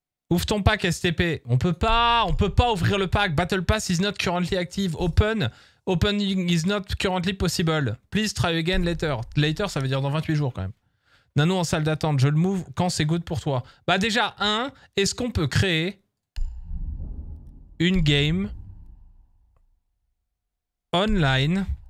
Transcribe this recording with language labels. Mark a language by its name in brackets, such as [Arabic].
[French] Ouvre ton pack STP. On peut pas ouvrir le pack. [English] Battle Pass is not currently active. Open. Opening is not currently possible. Please try again later. [French] Later, ça veut dire dans 28 jours quand même. Nano en salle d'attente. Je le move quand c'est good pour toi. Bah déjà, est-ce qu'on peut créer une game online?